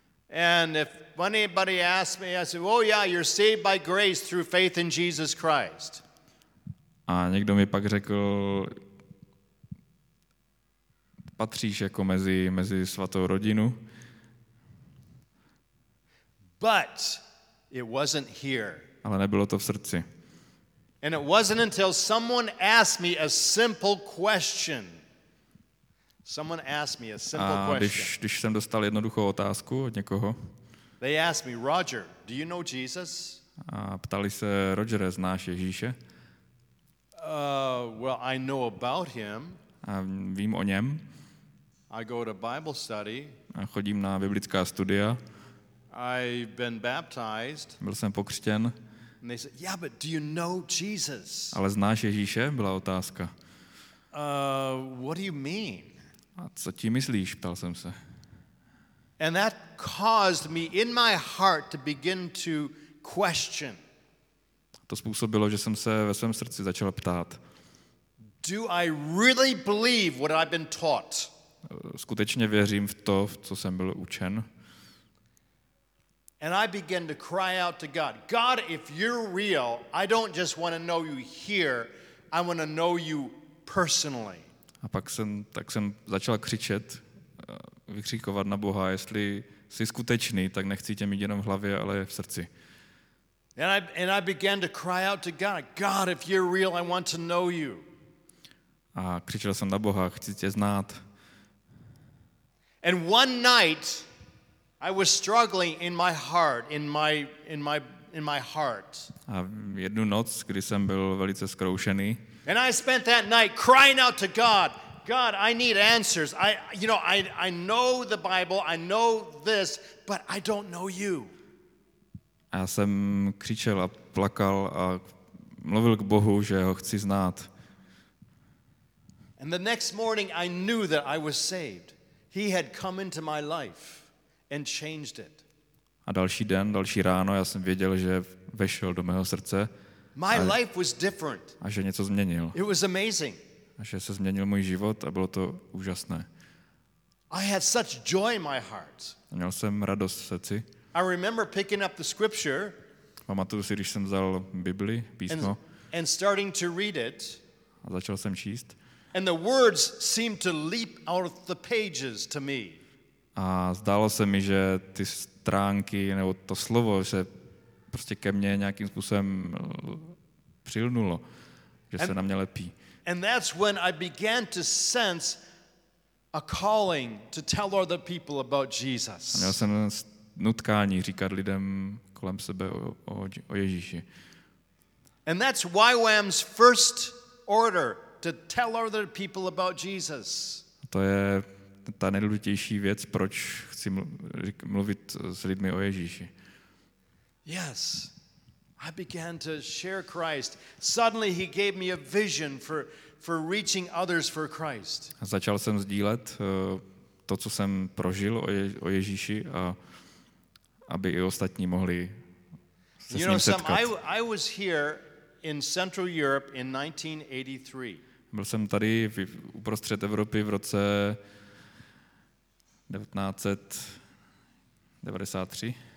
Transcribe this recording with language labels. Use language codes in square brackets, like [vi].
[en] And if anybody asked me, I said, "Oh yeah, you're saved by grace through faith in Jesus Christ." [cs] A někdo mi pak řekl, patříš jako mezi svatou rodinu. [en] But it wasn't here. [cs] Ale nebylo to v srdci. [en] And it wasn't until someone asked me a simple question. Someone asked me a simple question. [cs] Když jsem dostal jednoduchou otázku od někoho. [en] They asked me, "Roger, do you know Jesus?" [cs] A ptali se, "Rogere, znáš Ježíše?" [en] Well, I know about him. [cs] A vím o něm. [en] I go to Bible study. [cs] A chodím na biblická studia. [en] I've been baptized. [cs] Byl jsem pokřtěn. [en] And they said, "Yeah, but do you know Jesus?" [cs] Ale znáš Ježíše? Byla otázka. [en] What do you mean? [cs] A co ti myslíš? Ptal jsem se. [en] And that caused me in my heart to begin to question. [cs] To způsobilo, že jsem se ve svém srdci začal ptát. [en] Do I really believe what I've been taught? [cs] Skutečně věřím v to, v co jsem byl učen? [en] And I began to cry out to God, God, if you're real, I don't just want to know you here, I want to know you personally. [cs] A pak jsem, tak jsem začal křičet, vykřikovat na Boha, jestli jsi skutečný, tak nechci tě mít jenom v hlavě, ale v srdci. [en] And I began to cry out to God, God, if you're real, I want to know you. [cs] A křičel jsem na Boha, chci tě znát. [en] And one night, I was struggling in my heart, in my heart. [cs] A jednu noc, kdy jsem byl velice zkroušený. [en] And I spent that night crying out to God, God, I need answers. I know the Bible, I know this, but I don't know you. [cs] Já jsem křičel a plakal a mluvil k Bohu, že ho chci znát. [en] And the next morning I knew that I was saved. He had come into my life and changed it. [cs] A další den, další ráno, já jsem věděl, že vešel do mého srdce. [en] My life was different. [cs] A že něco změnil. [en] It was amazing. [cs] A že se změnil můj život a bylo to úžasné. [en] I had such joy in my heart. [cs] Měl jsem radost v srdci. [en] I remember picking up the scripture. [cs] Pamatuju si, když jsem vzal Bibli, písmo. [en] And starting to read it. [cs] A začal jsem číst. [en] And the words seemed to leap out of the pages to me. [cs] A zdálo se mi, že ty stránky nebo to slovo se prostě ke mně nějakým způsobem přilnulo, že se na mě lepí. [en] And that's when I began to sense a calling to tell other people about Jesus. [cs] Měl jsem nutkání říkat lidem kolem sebe o Ježíši. [en] And that's YWAM's first order, to tell other people about Jesus. [cs] To je ta nejdůležitější věc, proč chci mluvit s lidmi o Ježíši. [en] Yes, I began to share Christ. Suddenly he gave me a vision for reaching others for Christ. [cs] Začal jsem sdílet to, co jsem prožil o Ježíši, a aby i ostatní mohli se s ním setkat. [en] I was here in Central Europe in 1983. [cs] Byl jsem tady uprostřed Evropy v roce 1993.